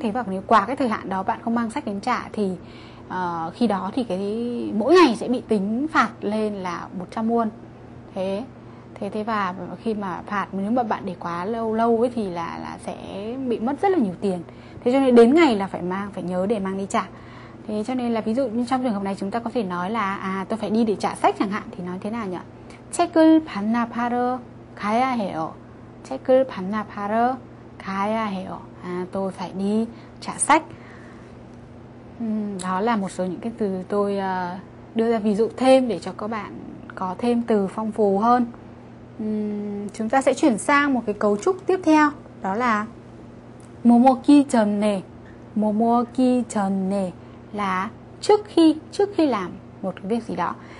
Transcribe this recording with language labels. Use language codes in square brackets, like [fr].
[vi] Thế và nếu quá cái thời hạn đó bạn không mang sách đến trả thì khi đó thì cái mỗi ngày sẽ bị tính phạt lên là 100 won. Thế thế thế và khi mà phạt, nếu mà bạn để quá lâu lâu ấy thì là sẽ bị mất rất là nhiều tiền. Thế cho nên đến ngày là phải mang, phải nhớ để mang đi trả. Thế cho nên là ví dụ như trong trường hợp này chúng ta có thể nói là tôi phải đi để trả sách chẳng hạn, thì nói thế nào nhỉ? [ko] 책을 반납하러 가야 해요. 책을 반납하러 가야 해요. [vi] À, tôi phải đi trả sách. Đó là một số những cái từ tôi đưa ra ví dụ thêm để cho các bạn có thêm từ phong phú hơn. Chúng ta sẽ chuyển sang một cái cấu trúc tiếp theo, đó là 머물기 전에. 머물기 전에 là trước khi làm một cái việc gì đó.